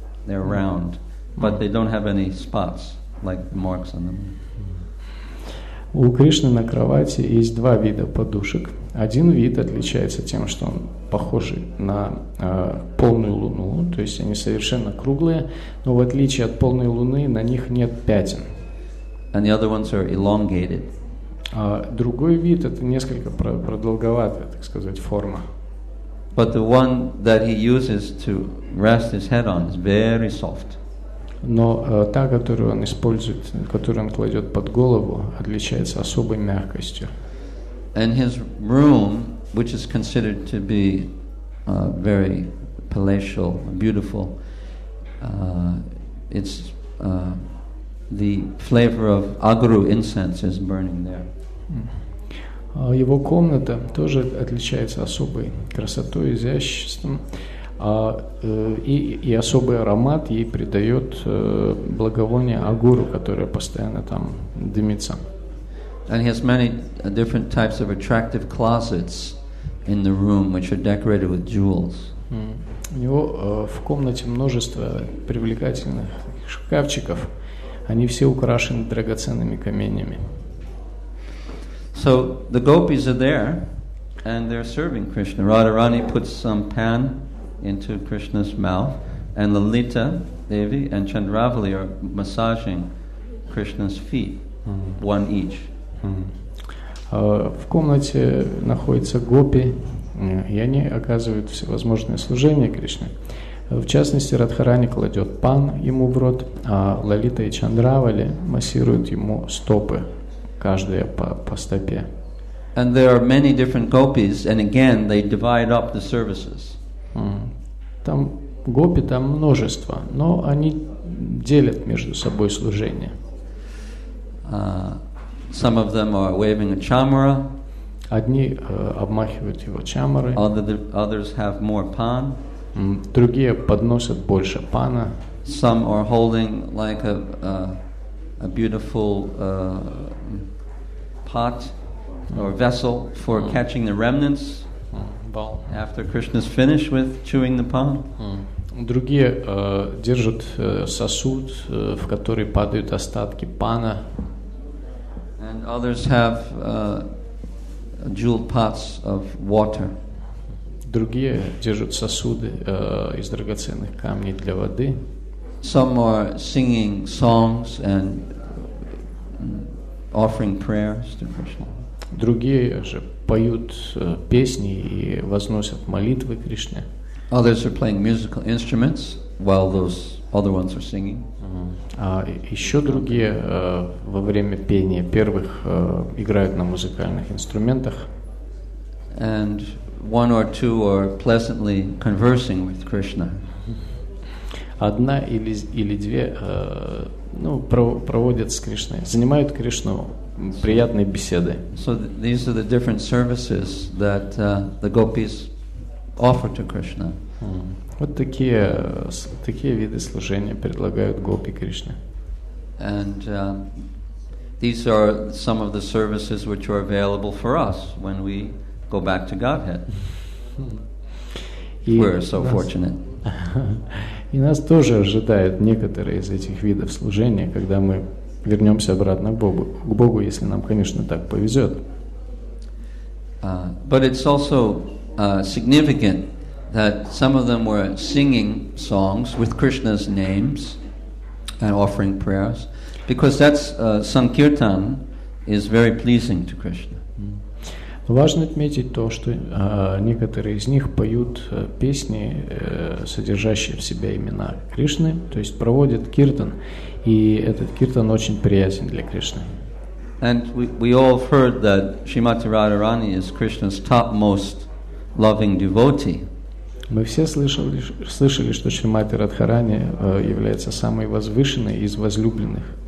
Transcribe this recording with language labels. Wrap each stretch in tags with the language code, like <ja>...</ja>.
<en>They're round, but they don't have any spots, like the marks on them.</en> <ru>У Кришны на кровати есть два вида подушек. Один вид отличается тем, что он похож на полную луну, то есть они совершенно круглые, но в отличие от полной луны на них нет пятен.</ru> <en>And the other ones are elongated.</en> <ru>А другой вид это несколько продолговатая, так сказать, форма.</ru> <en>But the one that he uses to rest his head on is very soft.</en> <ru>Но та, которую он использует, которую он кладет под голову, отличается особой мягкостью.</ru> <en>And his room, which is considered to be very palatial, beautiful, it's the flavor of agru incense is burning there.</en> <ru>Его комната тоже отличается особой красотой, изяществом. И особый аромат ей придает благовоние агуру, которая постоянно там дымится.</ru> <en>And he has many different types of attractive closets in the room, which are decorated with jewels.</en> <ru>У него в комнате множество привлекательных шкафчиков. Они все украшены драгоценными каменями.</ru> <en>So the gopis are there, and they're serving Krishna. Radharani puts some pan into Krishna's mouth, and Lalita Devi and Chandravali are massaging Krishna's feet, one each.</en> <ru>В комнате находятся гопи, и они оказывают всевозможные служения Кришне. В частности, Радхарани кладет пан ему в рот, а Лалита и Чандравали массируют ему стопы, каждая по стопе.</ru> <en>And there are many different gopis, and again they divide up the services.</en> <ru>Там гопи там множество, но они делят между собой служение.</ru> <en>Some of them are waving a chamara.</en> <ru>Одни обмахивают его чамарой.</ru> <en>Others have more pan.</en> <ru>Другие подносят больше пана.</ru> <en>Some are holding like a beautiful pot or vessel for catching the remnants. After Krishna's finished with chewing the pan.</en> <ru>Другие держат сосуд, в который падают остатки пана.</ru> <en>And others have jeweled pots of water.</en> <ru>Другие держат сосуды из драгоценных камней для воды.</ru> <en>Some are singing songs and offering prayers to Krishna.</en> <ru>Другие же поют песни и возносят молитвы Кришне.</ru> <en>Others are playing musical instruments while those other ones are singing.</en> <ru>А еще другие во время пения первых играют на музыкальных инструментах.</ru> <en>And one or two are pleasantly conversing with Krishna.</en> <ru>Одна или две проводят с Кришной, занимают Кришну приятной беседы.</ru> <en>So these are the different services that the gopis offer to Krishna.</en> <ru>Вот такие виды служения предлагают гопи Кришне.</ru> <en>And these are some of the services which are available for us when we go back to Godhead. We're so fortunate.</en> <ru>И нас тоже ожидают некоторые из этих видов служения, когда мы вернемся обратно к Богу, если нам, конечно, так повезет.</ru> <en>But it's also significant that some of them were singing songs with Krishna's names and offering prayers, because that's sankirtan is very pleasing to Krishna.</en> <ru>Важно отметить то, что некоторые из них поют песни, содержащие в себе имена Кришны, то есть проводят киртан, и этот киртан очень приятен для Кришны.</ru> <en>And we all heard that Shrimati Radharani is Krishna's topmost loving devotee.</en> <ru>Мы все слышали, что Шримати Радхарани является самой возвышенной из возлюбленных</ru>